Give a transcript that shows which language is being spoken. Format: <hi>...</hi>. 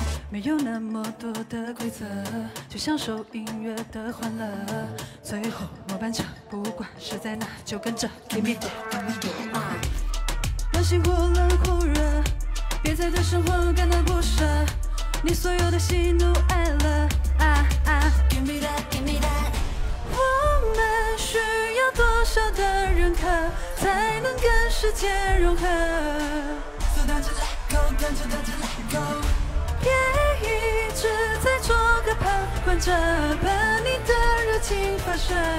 <zh>没有那么多的规则，就享受音乐的欢乐。最后末班车，不管是在哪，就跟着</zh> <en>Give me that, give me that。</en> <zh>让心忽冷忽热，别再对生活感到不舍。你所有的喜怒哀乐，</zh> <en>Give me that, give me that。</en> <zh>我们需要多少的认可，才能跟世界融合。</zh> <en>So don't you let go, don't you, don't you let go。</en> <zh>别一直在做个旁观者，把你的热情发射。</zh>